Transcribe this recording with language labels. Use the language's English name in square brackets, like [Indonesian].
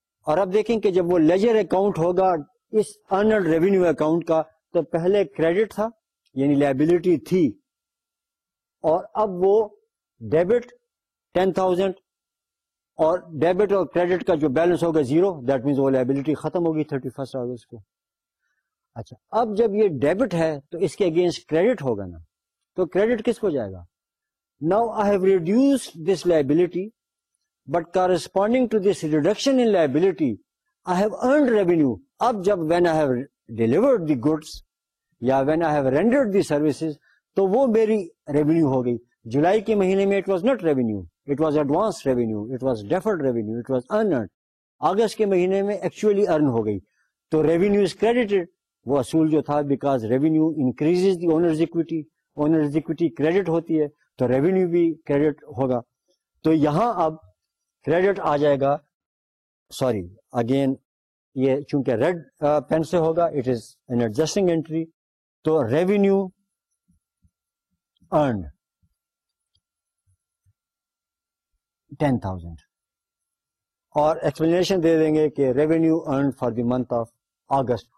[Urdu] اور اب دیکھیں کہ جب وہ لیجر اکاؤنٹ ہوگا اس ارن ارنڈ ریوینیو اکاؤنٹ کا تو پہلے کریڈٹ تھا یعنی لائبلٹی تھی اور اب وہ ڈیبٹ 10,000 اور ڈیبٹ اور کریڈٹ کا جو بیلنس ہوگا زیرو. دیٹ مینس وہ لائبلٹی ختم ہوگی 31 اگست کو. اچھا اب جب یہ ڈیبٹ ہے تو اس کے اگینسٹ کریڈٹ ہوگا نا تو کریڈٹ کس کو جائے گا. [English] Now I have reduced this liability, but corresponding to this reduction in liability, I have earned revenue. [Urdu] Ab jab [English] when I have delivered the goods, ya when I have rendered the services, [Urdu] to wo meri revenue ho gayi. July ke mahine mein [English] it was not revenue, it was advanced revenue, it was deferred revenue, it was unearned. [Urdu] August ke mahine mein actually earn ho gayi. To [English] revenue is credited, [Urdu] wo asool jo tha, [English] because revenue increases the owner's equity [Urdu] credit hoti hai. تو revenue بھی credit ہوگا. تو یہاں اب credit آ جائے گا. Sorry again یہ چونکہ red pain سے ہوگا [English] it is in adjusting entry [Urdu] تو ریونیو ارنڈ 10,000 اور ایکسپلینیشن دے دیں گے کہ revenue earned for the month of August.